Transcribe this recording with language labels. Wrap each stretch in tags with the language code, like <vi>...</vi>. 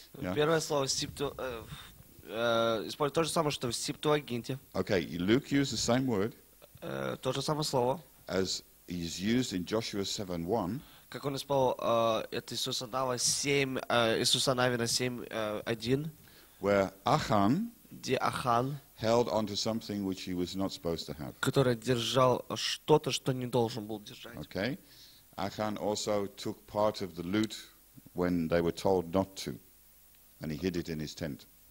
<ru>Первое слово Септу использует то же самое, что в Септуагинте.</ru> <en>Okay, Luke used the same word.</en> <ru>То же самое слово.</ru> <en>As is used in Joshua 7:1.</en> <ru>Как он использовал от Иисуса Навина 7:1,</ru> <en>where Ахан,</en> <ru>где Ахан</ru> <en>held onto something which he was not supposed to have.</en> <ru>Который держал что-то, что не должен был держать.</ru> <en>Okay. Ахан also took part of the loot when they were told not to, and he hid it in his tent.</en>